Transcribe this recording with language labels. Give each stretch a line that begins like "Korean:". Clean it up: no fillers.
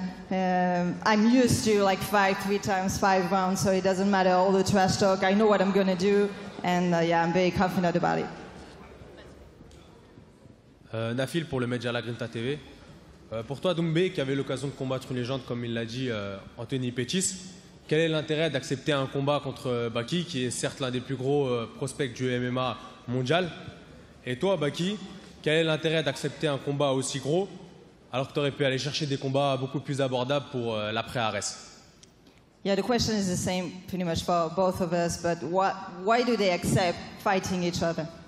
English: I'm used to like fight 3 times 5 rounds, so it doesn't matter all the trash talk. I know what I'm gonna do, and yeah, I'm very confident about it.
French: Nafil pour le Media La Grinta TV. Pour toi, Doumbé, qui avait l'occasion de combattre une légende, comme il l'a dit, Anthony Pettis, quel est l'intérêt d'accepter un combat contre Baki, qui est certes l'un des plus gros prospects du MMA mondial? Et toi, Baki, quel est l'intérêt d'accepter un combat aussi gros alors que tu aurais pu aller chercher des combats beaucoup plus abordables pour l'après Ares?
English: Yeah, the question is the same pretty much for both of us, but why do they accept fighting each other?